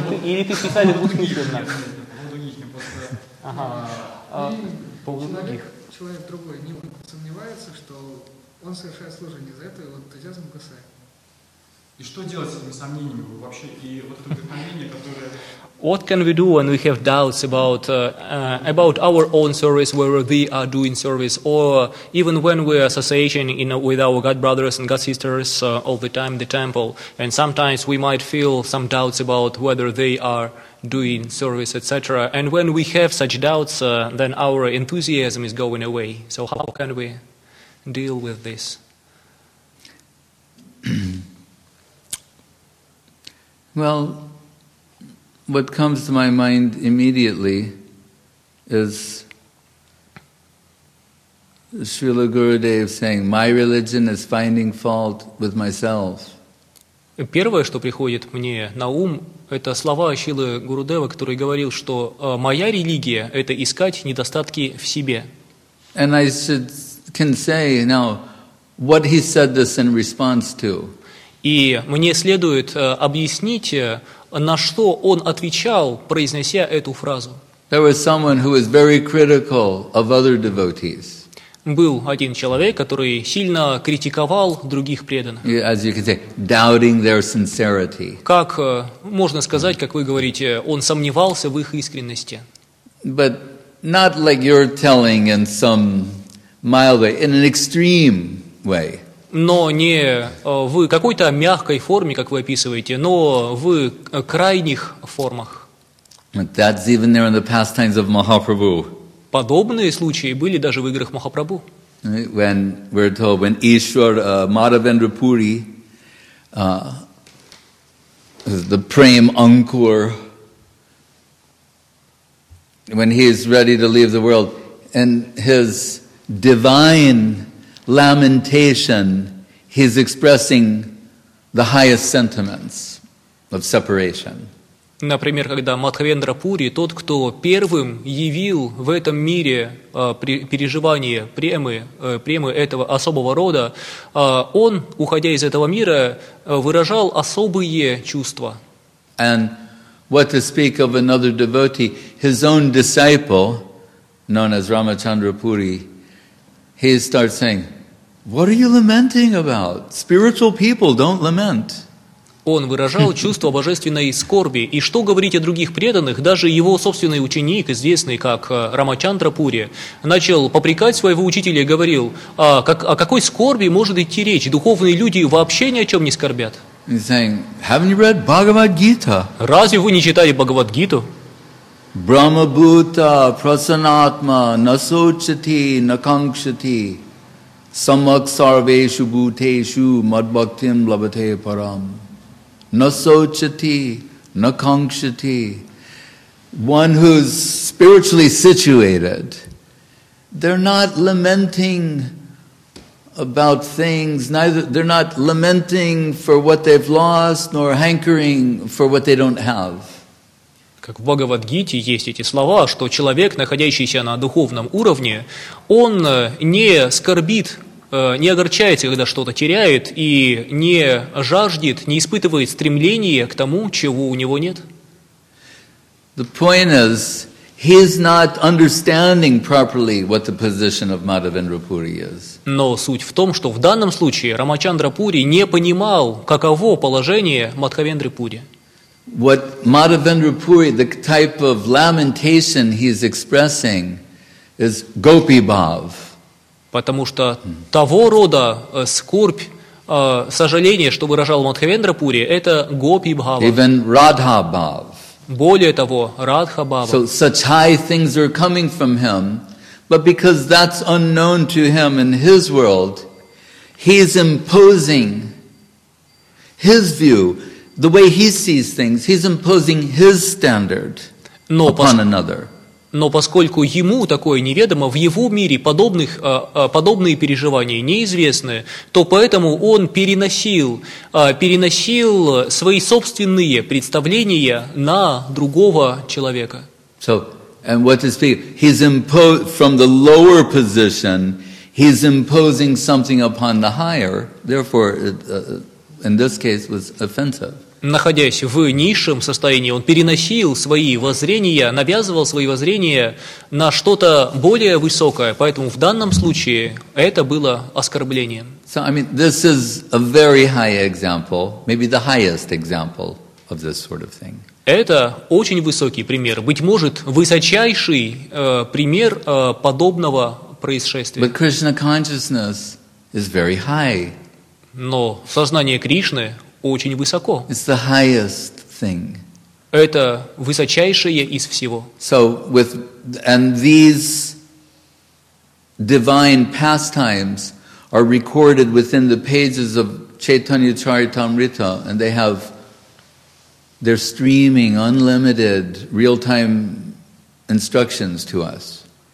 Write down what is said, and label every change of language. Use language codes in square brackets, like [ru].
[ru] Или ты специально двусмысленно? Нет, по поводу них, по поводу других. Человек другой не сомневается, что он совершает служение за это, и вот энтузиазм угасает. И что делать с этими сомнениями вообще? И вот это вдохновение, которое... [en] What can we do when we have doubts about our own service, where we are doing service, or even when we are associating with our God brothers and God sisters all the time in the temple, and sometimes we might feel some doubts about whether they are doing service, etc. And when we have such doubts, then our enthusiasm is going away. So how can we deal with this? Well, what comes to my mind immediately is Srila Gurudev saying, my religion is finding fault with myself. [ru] Первое, что приходит мне на ум, это слова Шрилы Гурудева, который говорил, что моя религия – это искать недостатки в себе. [en] And I can say now, what he said this in response to. [ru] И мне следует объяснить, на что он отвечал, произнося эту фразу. [en] There was someone who was very critical of other devotees. [ru] Был один человек, который сильно критиковал других преданных. [en] As you can say, doubting their sincerity. [ru] Как можно сказать, как вы говорите, он сомневался в их искренности. [en] But not like you're telling in some mild way, in an extreme way. [ru] Но не в какой-то мягкой форме, как вы описываете, но в крайних формах. [en] That's even there in the pastimes of Mahaprabhu. [ru] Подобные случаи были даже в играх Махапрабху. [en] When we're told, when Ishwara Madhavendra Puri, the Prem Ankur, when he is ready to leave the world, and his divine lamentation, he's expressing the highest sentiments of separation. [ru] Например, когда Мадхавендра Пури, тот, кто первым явил в этом мире переживание премы этого особого рода, он, уходя из этого мира, выражал особые чувства. [en] And What to speak of another devotee, his own disciple, known as Ramachandra Puri, he starts saying, "What are you lamenting about? Spiritual people don't lament." [ru] Он выражал чувство божественной скорби. И что говорить о других преданных? Даже его собственный ученик, известный как Рамачандра Пури, начал попрекать своего учителя и говорил, о какой скорби может идти речь? Духовные люди вообще ни о чем не скорбят. [en] He's saying, "Haven't you read Bhagavad-gita?" [ru] Разве вы не читали Бхагавад-гиту? [sa] Brahma-bhuta, prasanatma, nasochati, nakankshati, samak sarveshu bhuteshu, madbhaktim labhate param. Nasochati, nakankshati. [en] One who's spiritually situated, they're not lamenting about things, neither they're not lamenting for what they've lost, nor hankering for what they don't have. [ru] Как в Бхагавад-гите есть эти слова, что человек, находящийся на духовном уровне, он не скорбит, не огорчается, когда что-то теряет, и не жаждет, не испытывает стремления к тому, чего у него нет. [en] The point is, he's not understanding properly what the position of Madhavendra Puri is. [ru] Но суть в том, что в данном случае Рамачандра Пури не понимал, каково положение Мадхавендры Пури. [en] What Madhavendra Puri, the type of lamentation he's expressing, is Gopi Bhav. [ru] Потому что того рода скорбь, сожаление, что выражал Мадхавендра Пури, это Гопи Бхава. [en] Even Radha Bhav. [ru] Более того, Радха Бхава. [en] So such high things are coming from him, but because that's unknown to him in his world, he's imposing his view. The way he sees things, he's imposing his standard upon another. [ru] Но поскольку ему такое неведомо, в его мире подобные переживания неизвестны, то поэтому он переносил свои собственные представления на другого человека. [en] So, and what is he? He's imposed from the lower position. He's imposing something upon the higher. Therefore, in this case, was offensive. [ru] Находясь в низшем состоянии, он переносил свои воззрения, навязывал свои воззрения на что-то более высокое. Поэтому в данном случае это было оскорблением. [en] So, I mean, this is a very high example, maybe the highest example of this sort of thing. [ru] Это очень высокий пример, быть может, высочайший пример подобного происшествия. [en] But Krishna consciousness is very high. [ru] Но сознание Кришны очень высоко. [en] It's the highest thing. [ru] Это высочайшее из всего. [en] So with and these divine pastimes are recorded within the pages of Chaitanya Charitamrita, and they're streaming unlimited real-time instructions to us.